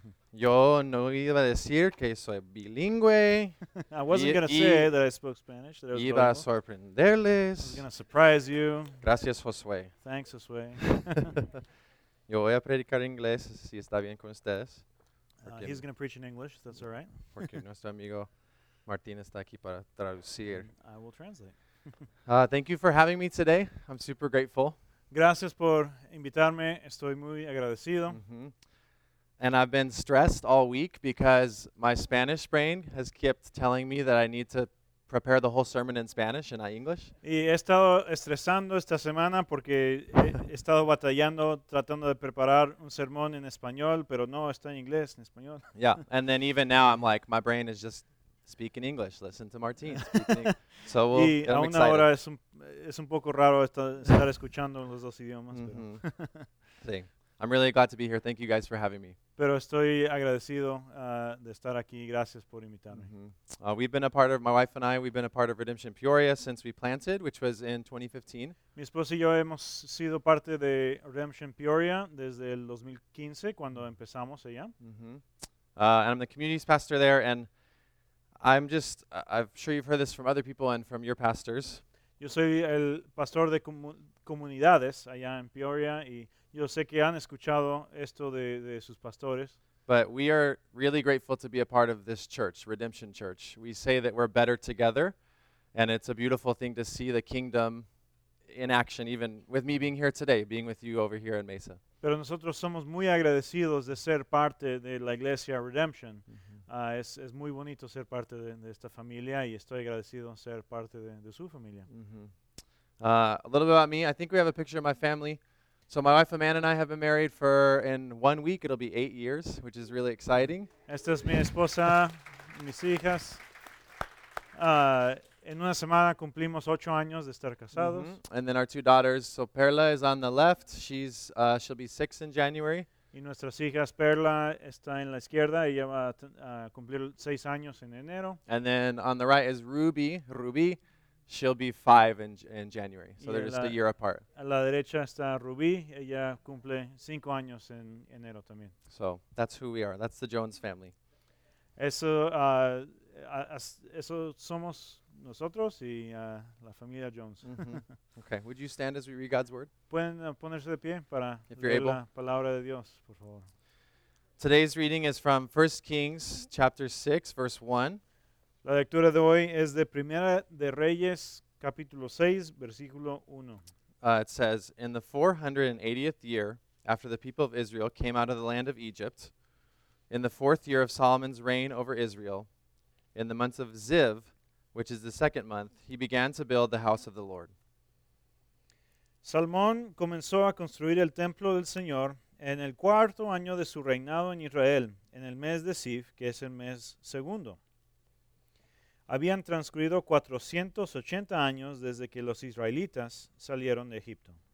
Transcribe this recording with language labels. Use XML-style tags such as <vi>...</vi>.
<es>Yo no iba a decir que soy bilingüe.</es> <en>I wasn't going to say that I spoke Spanish, that I was</en> <es>iba a</es> <en>bilingual. I was</en> <es>sorprenderles.</es> <en>going to surprise you.</en> <es>Gracias, Josué.</es> <en>Thanks, Josué.</en> <es>Yo voy a predicar en inglés si está bien con ustedes.</es> <en>He's going to preach in English, if that's all right.</en> <es>Porque nuestro amigo Martín está aquí para traducir.</es> <en>I will translate. Thank you for having me today. I'm super grateful.</en> <es>Gracias por invitarme. Estoy muy agradecido.</es> <en>And I've been stressed all week because my Spanish brain has kept telling me that I need to prepare the whole sermon in Spanish and not English.</en> <es>Y he estado estresando esta semana porque he estado batallando tratando de preparar un sermón en español, pero no está en inglés, en español.</es> <en>Yeah, and then even now I'm like, my brain is just speaking English. Listen to Martín speaking. So we'll</en> <es>Y</es> <en>get him</en> <es>aún ahora</es> <en>excited.</en> <es>es un poco raro estar escuchando los dos idiomas,</es> <en>Sí. I'm really glad to be here. Thank you guys for having me.</en> <es>pero estoy agradecido de estar aquí. Gracias por invitarme.</es> <en>We've been a part of, my wife and I, we've been a part of Redemption Peoria since we planted, which was in 2015.</en> <es>Mi esposa y yo hemos sido parte de Redemption Peoria desde el 2015, cuando empezamos allá.</es> <en>And I'm the community's pastor there, and I'm sure you've heard this from other people and from your pastors.</en> <es>Yo soy el pastor de comunidades allá en Peoria y yo sé que han escuchado esto de sus pastores.</es> <en>But we are really grateful to be a part of this church, Redemption Church. We say that we're better together, and it's a beautiful thing to see the kingdom in action, even with me being here today, being with you over here in Mesa.</en> <es>Pero nosotros somos muy agradecidos de ser parte de la iglesia Redemption. Es muy bonito ser parte de esta familia y estoy agradecido de ser parte de su familia.</es> <en>A little bit about me. I think we have a picture of my family. So my wife Amanda and I have been married for, in 1 week, it'll be 8 years, which is really exciting.</en> <es>Esta es mi esposa, mis hijas. En una semana cumplimos 8 años de estar casados.</es> <en>And then our two daughters. So Perla is on the left. She'll be 6 in January.</en> <es>Y nuestras hijas Perla está en la izquierda, ella va a cumplir 6 años en enero.</es> <en>And then on the right is Ruby. Ruby, she'll be 5 in January. So they're just a year apart.</en> <es>a la derecha está Rubí, ella cumple 5 años en enero también.</es> <en>So that's who we are. That's the Jones family.</en> <es>Eso somos nosotros y la familia Jones.</es> <en>Okay, would you stand as we read God's word?</en> <es>Pueden ponerse de pie para</es> <en>If you're</en> <es>leer</es> <en>able.</en> <es>la palabra de Dios, por favor.</es> <en>Today's reading is from 1 Kings chapter 6, verse 1.</en> <es>La lectura de hoy es de Primera de Reyes, capítulo 6, versículo 1.</es> <en>It says, in the 480th year after the people of Israel came out of the land of Egypt, in the fourth year of Solomon's reign over Israel, in the month of Ziv, which is the second month, he began to build the house of the Lord.</en> <es>Salomón comenzó a construir el templo del Señor en el cuarto año de su reinado en Israel, en el mes de Sif, que es el mes segundo. Habían transcurrido 480 años desde que los israelitas salieron de Egipto.</es>